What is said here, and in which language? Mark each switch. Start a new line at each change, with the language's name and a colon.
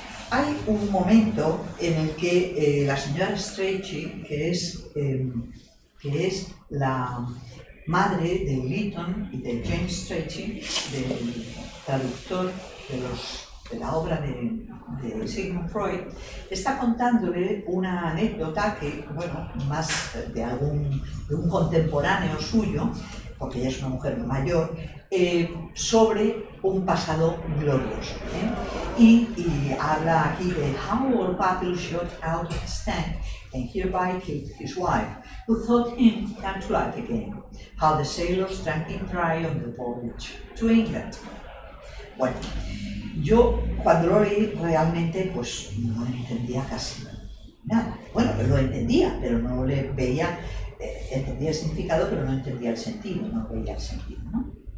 Spanish: Hay un momento en el que la señora Strachey, que es la madre de Lytton y de James Strachey, del traductor de, los, de la obra de Sigmund Freud, está contándole una anécdota que, bueno, más de algún, de un contemporáneo suyo, porque ella es una mujer mayor, sobre un pasado glorioso. Y habla aquí de
English: How old Battle shot out of his tank and hereby killed his wife, who thought him come to life again. How the sailors drank him dry on the voyage to England.
Spanish: Bueno, yo cuando lo leí realmente pues no entendía casi nada. Bueno, lo entendía, pero no le veía, entendía el significado, pero no entendía el sentido, no veía el sentido, ¿no?